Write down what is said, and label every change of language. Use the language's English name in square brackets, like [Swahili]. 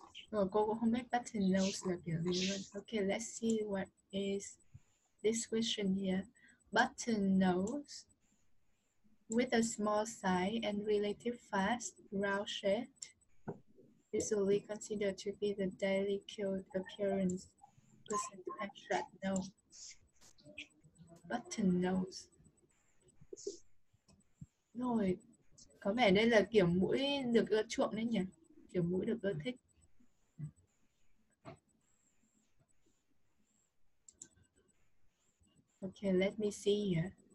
[Vietnamese] Rồi, cô không biết button nose là kiểu gì luôn. [English] Okay, let's see what is this question here. Button nose. With a small size and relative fast round shape, usually considered to be the daily cute appearance person has short nose. Button nose. [Vietnamese] Rồi, có vẻ đây là kiểu mũi được ưa chuộng đấy nhỉ? Kiểu mũi được ưa thích. [English] Okay, let me see here.